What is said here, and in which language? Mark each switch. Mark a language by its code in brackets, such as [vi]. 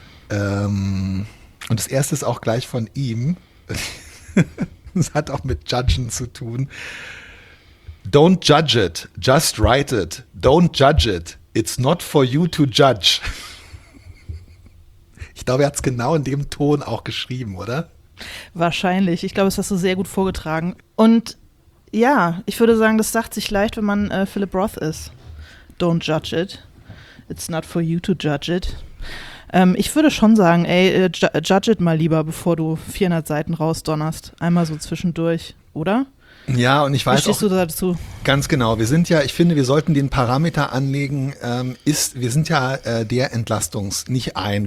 [de] Und das Erste ist auch gleich von ihm. Es hat auch mit Judgen zu tun. [en] Don't judge it, just write it. Don't judge it, it's not for you to judge. [de] Ich glaube, er hat es genau in dem Ton auch geschrieben, oder? Wahrscheinlich. Ich glaube, es hast du sehr gut vorgetragen. Und ja, ich würde sagen, das sagt sich leicht, wenn man Philip Roth ist. [en] Don't judge it. It's not for you to judge it. [de] Ich würde schon sagen, ey, [en] judge it [de] mal lieber, bevor du 400 Seiten rausdonnerst. Einmal so zwischendurch, oder? Ja, und ich weiß auch. Verstehst du dazu? Ganz genau. Wir sind ja, ich finde, wir sollten den Parameter anlegen. Wir sind ja der Entlastungs-, nicht ein.